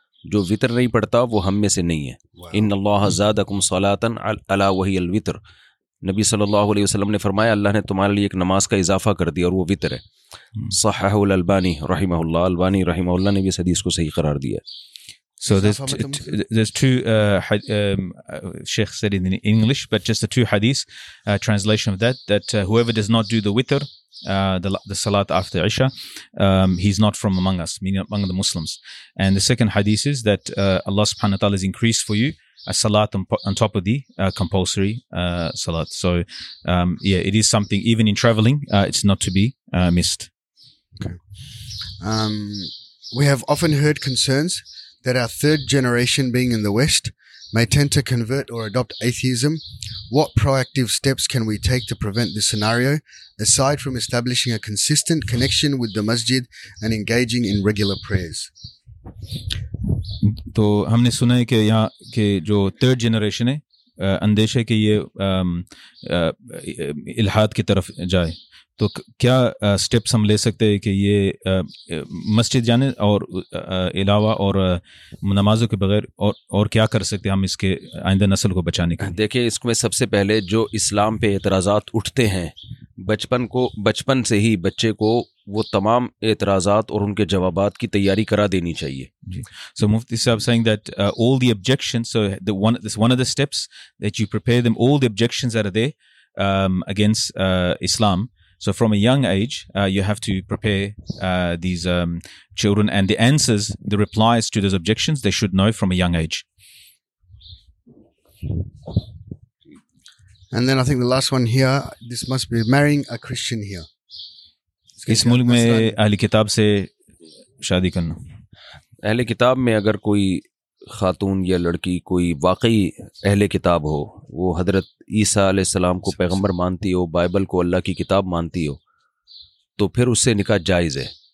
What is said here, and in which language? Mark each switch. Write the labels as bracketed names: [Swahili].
[Urdu] جو وتر نہیں پڑھتا وہ ہم میں سے نہیں ہے. [Arabic] ان اللہ زادکم صلاۃ علی وہی الوتر. [Urdu] نبی صلی اللہ علیہ وسلم نے فرمایا اللہ نے تمہارے لیے ایک نماز کا اضافہ کر دیا اور وہ وتر ہے. صحیح الالبانی رحمہ اللہ, البانی رحمہ اللہ نے بھی اس حدیث کو صحیح قرار دیا. [English] So Sheikh said it in English, but just the two hadith translation of that whoever does not do the witr, the salat after Isha, he's not from among us, meaning among the Muslims. And the second hadith is that Allah subhanahu wa ta'ala has increased for you a salat on top of the compulsory salat. So it is something, even in traveling, it's not to be missed. Okay. We have often heard concerns that our third generation being in the West may tend to convert or adopt atheism. What proactive steps can we take to prevent this scenario, aside from establishing a consistent connection with the masjid and engaging in regular prayers? [Urdu] تو ہم نے سنا ہے کہ یہاں کہ جو third generation ہے اندیش ہے کہ یہ الحاد کی طرف جائے, تو کیا اسٹیپس ہم لے سکتے ہیں کہ یہ مسجد جانے اور علاوہ اور نمازوں کے بغیر اور کیا کر سکتے ہیں ہم اس کے آئندہ نسل کو بچانے کے؟ دیکھیں, اس میں سب سے پہلے جو اسلام پہ اعتراضات اٹھتے ہیں, بچپن سے ہی بچے کو وہ تمام اعتراضات اور ان کے جوابات کی تیاری کرا دینی چاہیے. [English] So مفتی صاحب saying that all the objections, so the one this one of the steps that you prepare them, all the objections are there against Islam. So from a young age, you have to prepare these children and the answers, the replies to those objections, they should know from a young age. And then I think the last one here, this must be marrying a Christian here. [Urdu] اس ملک میں اہل کتاب سے شادی کرنا. اہل کتاب میں اگر کوئی خاتون یا لڑکی کوئی واقعی اہل کتاب ہو, وہ حضرت عیسیٰ علیہ السلام کو پیغمبر مانتی ہو, بائبل کو اللہ کی کتاب مانتی ہو, تو پھر اس سے نکاح جائز ہے.